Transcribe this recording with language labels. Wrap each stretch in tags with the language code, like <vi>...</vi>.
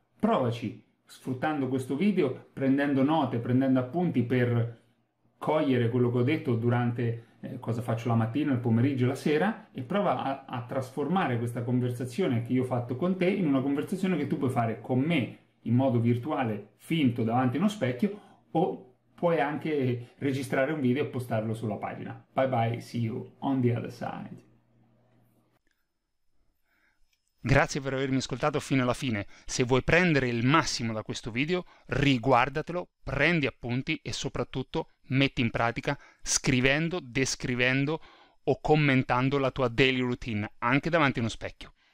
<it>Provaci, sfruttando questo video, prendendo note, prendendo appunti per cogliere quello che ho detto durante cosa faccio la mattina, il pomeriggio, la sera, e prova a trasformare questa conversazione che io ho fatto con te in una conversazione che tu puoi fare con me in modo virtuale, finto, davanti a uno specchio, o puoi anche registrare un video e postarlo sulla pagina.</it> <en>Bye bye, see you on the other side.</en> <it>Grazie per avermi ascoltato fino alla fine. Se vuoi prendere il massimo da questo video, riguardatelo, prendi appunti e soprattutto metti in pratica scrivendo, descrivendo o commentando la tua daily routine anche davanti a uno specchio.</it>